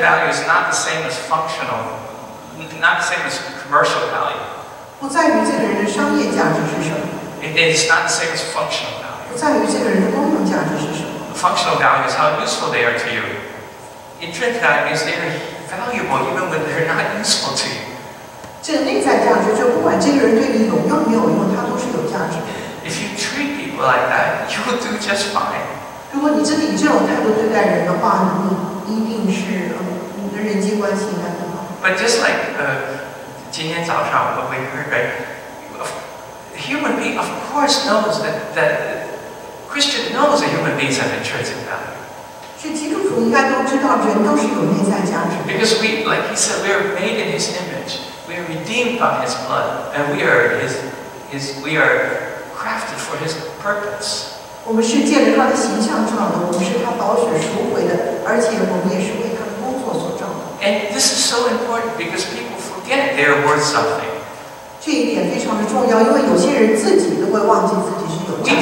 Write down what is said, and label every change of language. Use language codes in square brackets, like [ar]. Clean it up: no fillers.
[en] value is not the same as functional, not the same as commercial value. [zh] 不在于这个人的商业价值是什么。 [en] It's not the same as functional value. [zh] 不在于这个人的功能价值是什么。 [en] Functional value is how useful they are to you. Intrinsic value means they are valuable even when they're not useful to you. [zh] 这个内在价值，就不管这个人对你有用没有用，他都是有价值的。 [en] If you treat people like that, you will do just fine. [zh] 如果你真的以这种态度对待人的话，你一定是你的人际关系应该很好。 [en] But just like [zh] 今天早上 [en] what we heard, right? Human being of course knows that Christian knows that human beings have intrinsic value. [zh] 所以基督徒应该都知道，人都是有内在价值。 [en] Because we, like he said, we are made in His image. redeemed by His blood, and we are His, we are crafted for His purpose. [zh] 我们是借着他的形象创的，我们是他宝血赎回的，而且我们也是为他的工作所创的。 [en] And this is so important because people forget they are worth something. [zh] 这一点非常的重要，因为有些人自己都会忘记自己是有价值的。